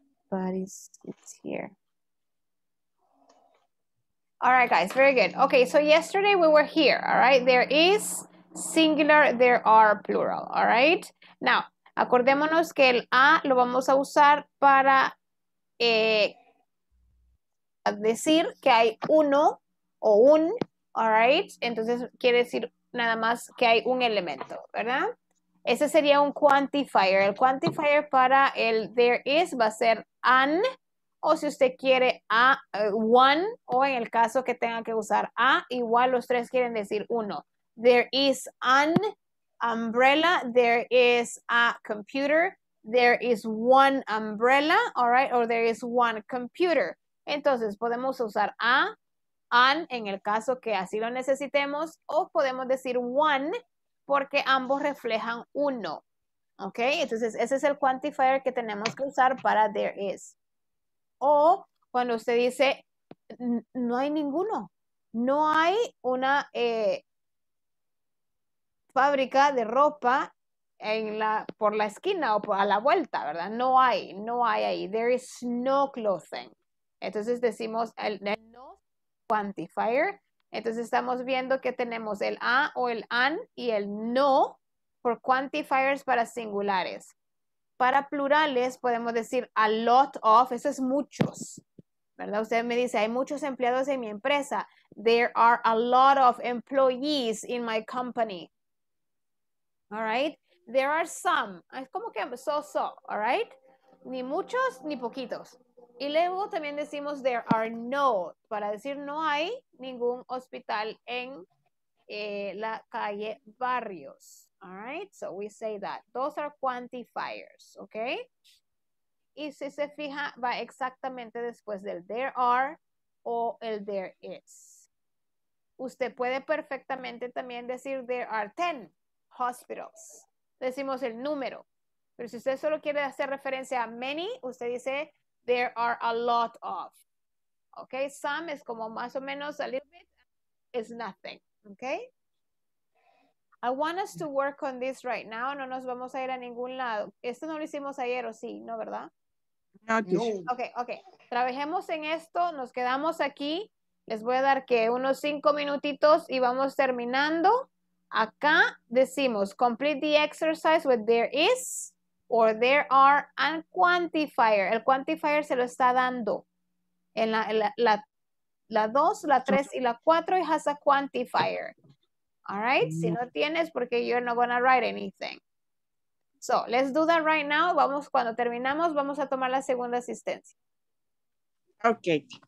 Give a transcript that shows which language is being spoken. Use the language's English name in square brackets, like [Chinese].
[English] Paris, it's here. All right, guys, very good. Okay, so yesterday we were here, all right? There is singular, there are plural, all right? [Spanish] Now, acordémonos que el A lo vamos a usar para decir que hay uno o un Alright, entonces quiere decir nada más que hay un elemento, ¿verdad? Ese sería un quantifier. El quantifier para el there is va a ser an, o si usted quiere a one, o en el caso que tenga que usar a, igual los tres quieren decir uno. [English] There is an umbrella, there is a computer, there is one umbrella, alright, or there is one computer. [Spanish] Entonces podemos usar a, an, en el caso que así lo necesitemos, o podemos decir one, porque ambos reflejan uno. ¿Ok? Entonces, ese es el quantifier que tenemos que usar para there is. O cuando usted dice, no hay ninguno. No hay una fábrica de ropa en la, por la esquina o por, a la vuelta, ¿verdad? No hay, no hay ahí. [English] There is no clothing. [Spanish] Entonces, decimos el no quantifier. Entonces estamos viendo que tenemos el a o el an y el no por quantifiers para singulares. Para plurales podemos decir a lot of, eso es muchos, ¿verdad? Usted me dice, hay muchos empleados en mi empresa. [English] There are a lot of employees in my company. All right? There are some. [Spanish] Es como que [English] so-so, all right? [Spanish] Ni muchos ni poquitos. Y luego también decimos [English] there are no, [Spanish] para decir no hay ningún hospital en la calle Barrios. [English] All right, so we say that. Those are quantifiers, okay? [Spanish] Y si se fija, va exactamente después del there are o el there is. Usted puede perfectamente también decir [English] there are 10 hospitals. [Spanish] Decimos el número. Pero si usted solo quiere hacer referencia a many, usted dice there are a lot of. [English] Okay, some [Spanish] es como más o menos [English] a little bit, is nothing. Okay, I want us to work on this right now. [Spanish] No nos vamos a ir a ningún lado. Esto no lo hicimos ayer, o sí, ¿no, verdad? No, okay. Trabajemos en esto, nos quedamos aquí. Les voy a dar que unos 5 minutitos y vamos terminando. Acá decimos [English] complete the exercise with there is or there are, and quantifier. [Spanish] El quantifier se lo está dando. En la 2, la 3 y la 4, [English] it has a quantifier. All right? [Spanish] Si no tienes, porque [English] you're not going to write anything. So, let's do that right now. [Spanish] Vamos, cuando terminamos, vamos a tomar la segunda asistencia. [English] Okay.